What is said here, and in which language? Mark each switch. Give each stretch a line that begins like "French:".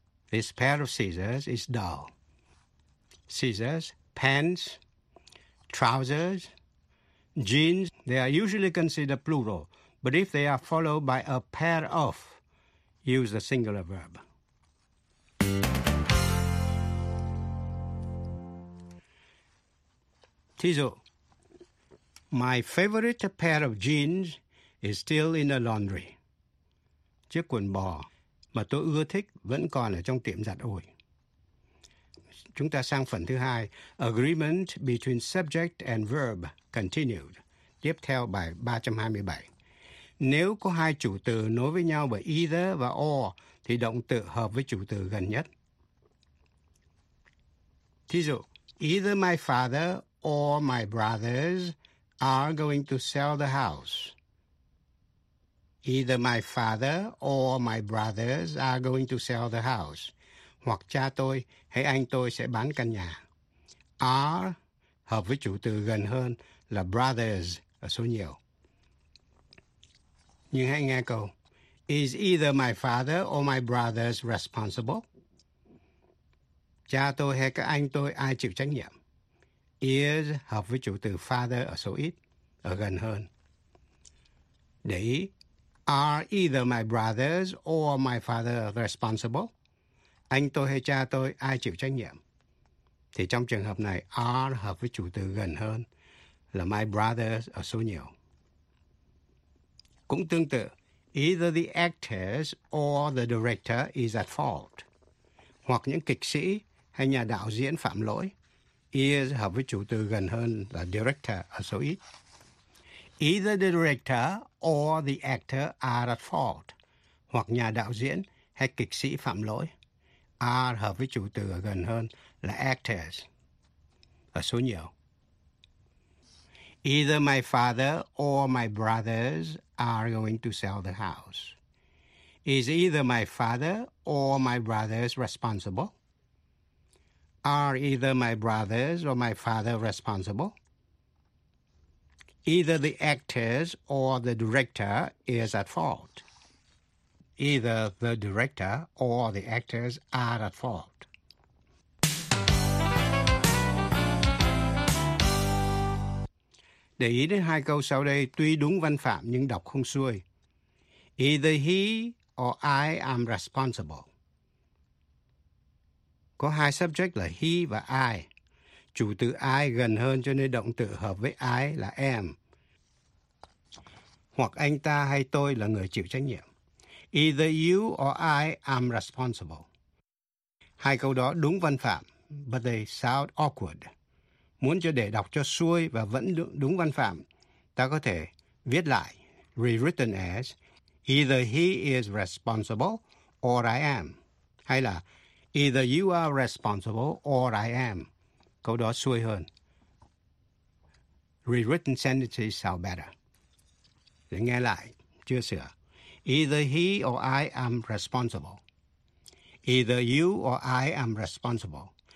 English: This pair of scissors is dull. Scissors, pants, trousers, jeans, they are usually considered plural. But if they are followed by a pair of, use the singular verb.
Vietnamese: Thí dụ,
English: my favorite pair of jeans is still in the laundry.
Vietnamese: Chiếc quần bò mà tôi ưa thích vẫn còn ở trong tiệm giặt ủi. Chúng ta sang phần thứ hai.
English: Agreement between subject and verb continued.
Vietnamese: Tiếp theo bài 327. Nếu có hai chủ từ nối với nhau bởi either và or, thì động từ hợp với chủ từ gần nhất. Thí dụ,
English: either my father or my brothers are going to sell the house. Either my father or my brothers are going to sell the house.
Vietnamese: Hoặc cha tôi hay anh tôi sẽ bán căn nhà. Are hợp với chủ từ gần hơn là brothers ở số nhiều. Nhưng hãy nghe câu.
English: Is either my father or my brothers responsible?
Vietnamese: Cha tôi hay các anh tôi ai chịu trách nhiệm? Is hợp với chủ từ father ở số ít, ở gần hơn. Để ý,
English: are either my brothers or my father responsible?
Vietnamese: Anh tôi hay cha tôi ai chịu trách nhiệm? Thì trong trường hợp này, are hợp với chủ từ gần hơn là my brothers ở số nhiều. Cũng tương tự,
English: either the actors or the director is at fault.
Vietnamese: Hoặc những kịch sĩ hay nhà đạo diễn phạm lỗi. Is hợp với chủ từ gần hơn là director ở số ít.
English: Either the director or the actor are at fault.
Vietnamese: Hoặc nhà đạo diễn hay kịch sĩ phạm lỗi. Are hợp với chủ từ ở gần hơn là actors ở số nhiều.
English: Either my father or my brothers are going to sell the house. Is either my father or my brothers responsible? Are either my brothers or my father responsible? Either the actors or the director is at fault. Either the director or the actors are at fault.
Vietnamese: Để ý đến hai câu sau đây, tuy đúng văn phạm nhưng đọc không xuôi.
English: Either he or I am responsible.
Vietnamese: Có hai subject là he và I. Chủ từ I gần hơn cho nên động từ hợp với I là am. Hoặc anh ta hay tôi là người chịu trách nhiệm.
English: Either you or I am responsible.
Vietnamese: Hai câu đó đúng văn phạm,
English: but they sound awkward.
Vietnamese: Muốn cho để đọc cho xuôi và vẫn đúng văn phạm, ta có thể viết lại,
English: rewritten as, either he is responsible or I am.
Vietnamese: Hay là,
English: either you are responsible or I am.
Vietnamese: Câu đó xuôi hơn.
English: Rewritten sentences sound better.
Vietnamese: Để nghe lại, chưa sửa.
English: Either he or I am responsible. Either you or I am responsible.